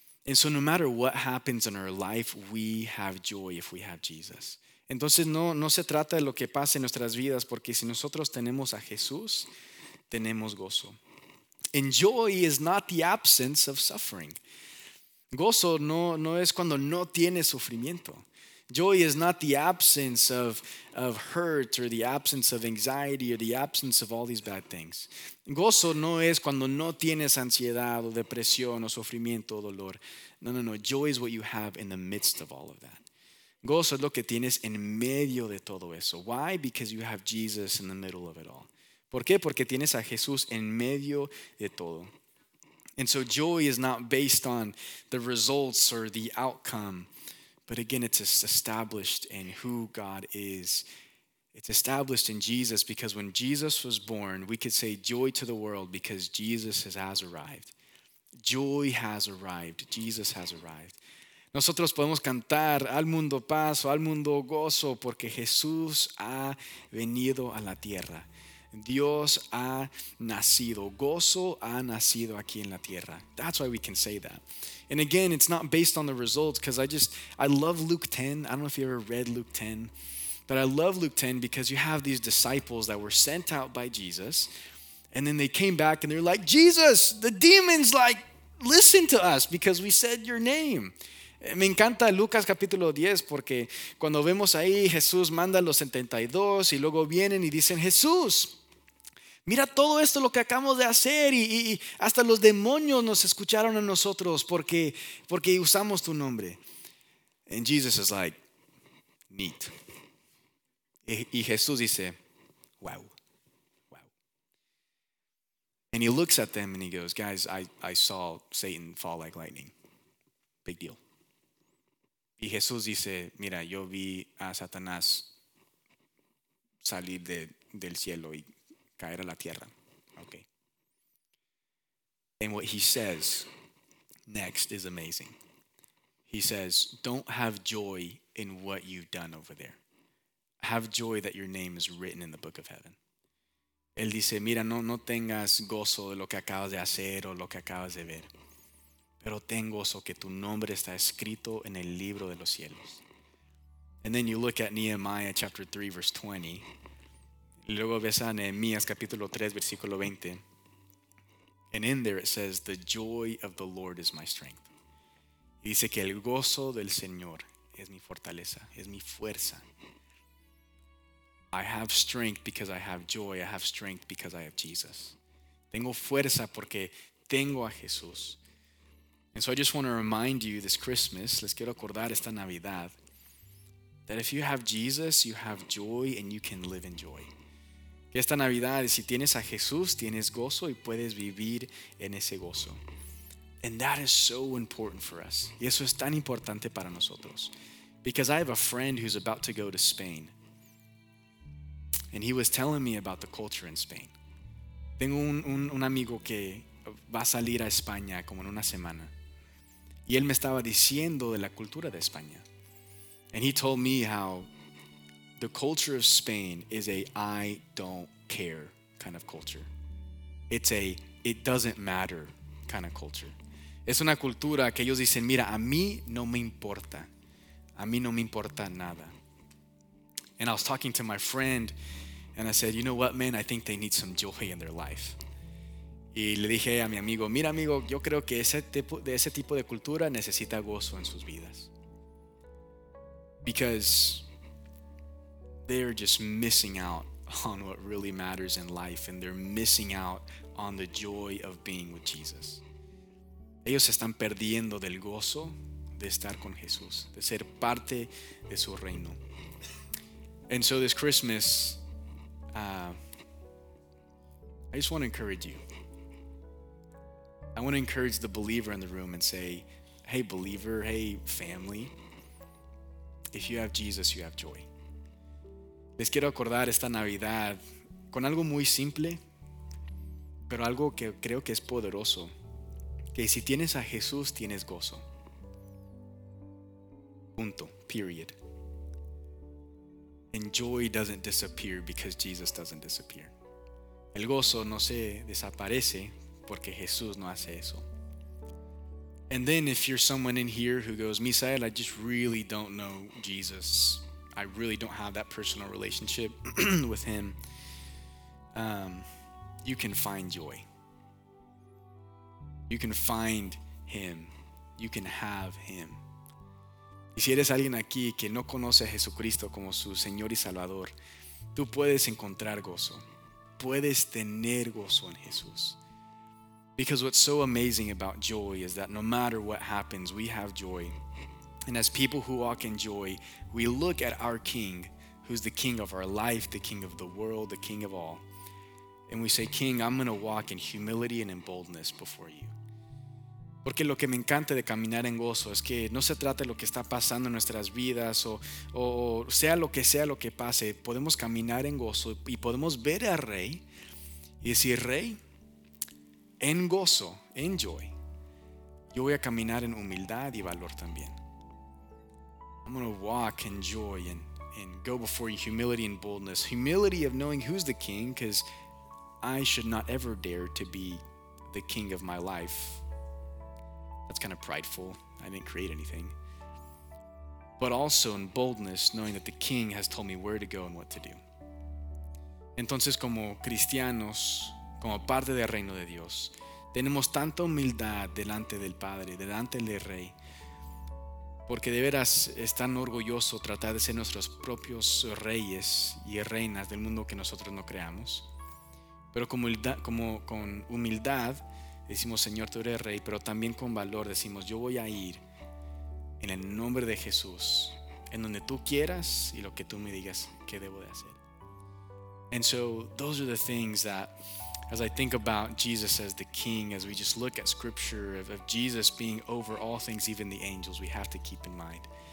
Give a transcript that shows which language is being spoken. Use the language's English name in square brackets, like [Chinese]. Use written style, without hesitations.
[English] And so no matter what happens in our life, we have joy if we have Jesus. [Spanish] Entonces no se trata de lo que pasa en nuestras vidas, porque si nosotros tenemos a Jesús, tenemos gozo. [English] And joy is not the absence of suffering. [Spanish] Gozo no es cuando no tiene sufrimiento. [English] Joy is not the absence of hurt or the absence of anxiety or the absence of all these bad things. [Spanish] Gozo no es cuando no tienes ansiedad o depresión o sufrimiento o dolor. No. [English] Joy is what you have in the midst of all of that. [Spanish] Gozo es lo que tienes en medio de todo eso. [English] Why? Because you have Jesus in the middle of it all. [Spanish] ¿Por qué? Porque tienes a Jesús en medio de todo. [English] And so joy is not based on the results or the outcome. But again, it's established in who God is. It's established in Jesus, because when Jesus was born, we could say joy to the world because Jesus has arrived. Joy has arrived. Jesus has arrived. [Spanish] Nosotros podemos cantar al mundo paz o al mundo gozo porque Jesús ha venido a la tierra. Dios ha nacido, gozo ha nacido aquí en la tierra. [English] That's why we can say that. And again, it's not based on the results, because I love Luke 10. I don't know if you ever read Luke 10, but I love Luke 10 because you have these disciples that were sent out by Jesus, and then they came back and they're like, Jesus, the demons, like, listen to us because we said your name. [Spanish] Me encanta Lucas capítulo 10, porque cuando vemos ahí, Jesús manda a los 72 y luego vienen y dicen, Jesús, mira todo esto lo que acabamos de hacer y hasta los demonios nos escucharon a nosotros porque usamos tu nombre. [English] And Jesus is like, neat. [Spanish] Y Jesús dice, wow. [English] And he looks at them and he goes, guys, I saw Satan fall like lightning. Big deal. [Spanish] Y Jesús dice, mira, yo vi a Satanás salir del cielo y caer a la tierra. Okay. [English] And what he says next is amazing. He says, don't have joy in what you've done over there. Have joy that your name is written in the book of heaven. [Spanish] Él dice, mira, no tengas gozo de lo que acabas de hacer o lo que acabas de ver. Pero ten gozo que tu nombre está escrito en el libro de los cielos. [English] And then you look at Nehemiah chapter 3, verse 20. [Spanish] Luego ves a Nehemías capítulo 3, versículo 20. [English] And in there it says, the joy of the Lord is my strength. [Spanish] Y dice que el gozo del Señor es mi fortaleza, es mi fuerza. [English] I have strength because I have joy. I have strength because I have Jesus. [Spanish] Tengo fuerza porque tengo a Jesús. [English] And so I just want to remind you this Christmas, [Spanish] les quiero acordar esta Navidad, [English] that if you have Jesus, you have joy and you can live in joy. [Spanish] Que esta Navidad, si tienes a Jesús, tienes gozo y puedes vivir en ese gozo. [English] And that is so important for us. [Spanish] Y eso es tan importante para nosotros. [English] Because I have a friend who's about to go to Spain. And he was telling me about the culture in Spain. [Spanish] Tengo un amigo que va a salir a España como en una semana. Y él me estaba diciendo de la cultura de España. [English] And he told me how the culture of Spain is a I don't care kind of culture. It's a it doesn't matter kind of culture. [Spanish] Es una cultura que ellos dicen, mira, a mí no me importa. A mí no me importa nada. [English] And I was talking to my friend and I said, you know what, man, I think they need some joy in their life. [Spanish] Y le dije a mi amigo, mira, amigo, yo creo que ese tipo de cultura necesita gozo en sus vidas. [English] Because they're just missing out on what really matters in life, and they're missing out on the joy of being with Jesus. [Spanish] Ellos están perdiendo del gozo de estar con Jesús, de ser parte de su reino. [English] And so this Christmas, I just want to encourage you. I want to encourage the believer in the room and say, hey, believer, hey, family, if you have Jesus, you have joy. [Spanish] Les quiero acordar esta Navidad con algo muy simple, pero algo que creo que es poderoso, que si tienes a Jesús, tienes gozo. Punto. [English] Period. And joy doesn't disappear because Jesus doesn't disappear. [Spanish] El gozo no se desaparece porque Jesús no hace eso. [English] And then if you're someone in here who goes, Misael, I just really don't know Jesus. I really don't have that personal relationship with him. You can find joy. You can find him. You can have him. [Spanish] Y si eres alguien aquí que no conoce a Jesucristo como su Señor y Salvador, tú puedes encontrar gozo. Puedes tener gozo en Jesús. [English] Because what's so amazing about joy is that no matter what happens, we have joy. And as people who walk in joy, we look at our King, who's the King of our life, the King of the world, the King of all. And we say, King, I'm going to walk in humility and in boldness before you. [Spanish] Porque lo que me encanta de caminar en gozo es que no se trata de lo que está pasando en nuestras vidas o sea lo que pase, podemos caminar en gozo y podemos ver al Rey y decir, Rey, en gozo, en joy, yo voy a caminar en humildad y valor también. [English] I'm going to walk in joy and go before you, humility and boldness. Humility of knowing who's the King, because I should not ever dare to be the King of my life. That's kind of prideful. I didn't create anything. But also in boldness, knowing that the King has told me where to go and what to do. [Spanish] Entonces, como cristianos, como parte del reino de Dios, tenemos tanta humildad delante del Padre, delante del Rey, porque de veras es tan orgulloso tratar de ser nuestros propios reyes y reinas del mundo que nosotros no creamos. Pero con humildad decimos, Señor, tú eres rey, pero también con valor decimos, yo voy a ir en el nombre de Jesús, en donde tú quieras y lo que tú me digas que debo de hacer. [English] And so those are the things that, as I think about Jesus as the King, as we just look at scripture of Jesus being over all things, even the angels, we have to keep in mind.